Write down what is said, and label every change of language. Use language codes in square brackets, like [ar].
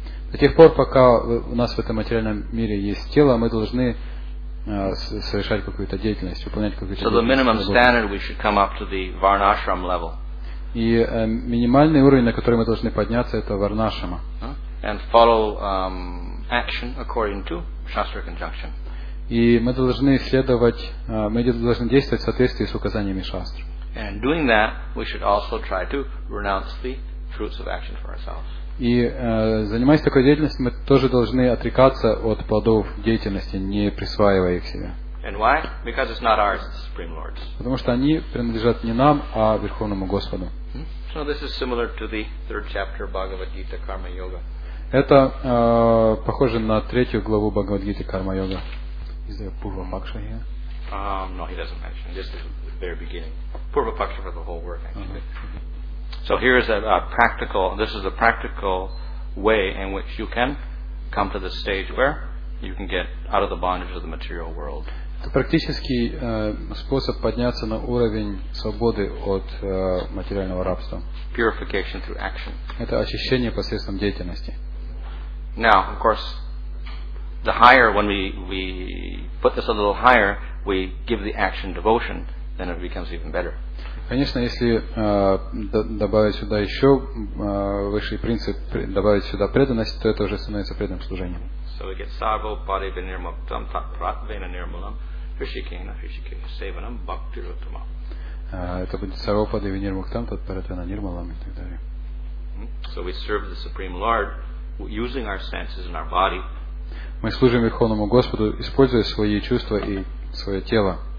[ru] До тех пор, пока у нас в этом материальном мире есть тело, мы должны совершать какую-то деятельность, выполнять какую-то деятельность. [en] So the minimum standard we should come up to the Varnashram level. [ru] И минимальный уровень, на который мы должны подняться, это Варнашрама. [en] And follow action according to Shastra conjunction. [ru] И мы должны действовать в соответствии с указаниями Шастры. [en] And doing that, we should also try to renounce the fruits of action for ourselves. [ru] И занимаясь такой деятельностью, мы тоже должны отрекаться от плодов деятельности, не присваивая их себе. [en] And why? Because it's not ours, the Supreme Lord's. [ru] Потому что они принадлежат не нам, а Верховному Господу. [en] So this is similar to the third chapter of Bhagavad Gita, Karma Yoga. [ru] Это похоже на третью главу Bhagavad Gita, Karma Yoga. [en] Is there Purva Paksha here? No, he doesn't mention. This is the very beginning. Purva Paksha for the whole work, actually. Uh-huh. So here is a practical. This is a practical way in which you can come to the stage where you can get out of the bondage of the material world. [ru] Это практический способ подняться на уровень свободы от материального рабства. [en] Purification through action. [ru] Это очищение посредством деятельности. [en] Now, of course, the higher when we put this a little higher, we give the action devotion, then it becomes even better. [ru] Конечно, если добавить сюда еще высший принцип, добавить сюда преданность, то это уже становится преданным служением. [en] So we get [sa] sarva upadhi vinirmuktam tat prat vena nirmulam hrishikena hrishikena sevanam bhakti rutamam. [ru] Это будет [sa] sarva upadhi vinirmuktam tat prat vena nirmulam [ru] и так далее. [en] So we serve the Supreme Lord using our senses and our body. [ru] Мы служим Верховному Господу, используя свои чувства и свое тело.